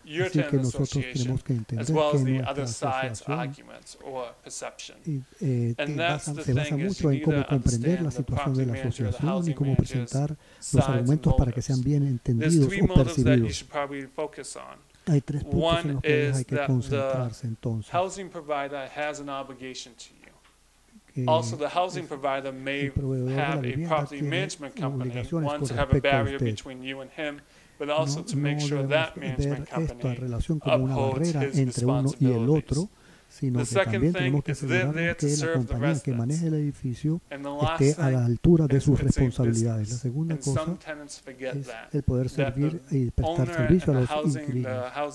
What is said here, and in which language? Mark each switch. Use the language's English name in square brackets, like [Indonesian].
[Spanish] Así que nosotros tenemos que entender que nuestra asociación se basa mucho en cómo comprender la situación de la asociación y cómo presentar los argumentos para que sean bien entendidos o percibidos. Hay tres puntos en los que hay que concentrarse entonces. [English] El housing provider has an obligation to you. Also, the housing provider may have a property management company want to have a barrier between you and him, but also to make sure that management company upholds his responsibilities. [Spanish] Sino que también tenemos que asegurar que la compañía que maneja el edificio esté a la altura de sus responsabilidades. La segunda cosa es el poder servir y prestar servicio a los inquilinos.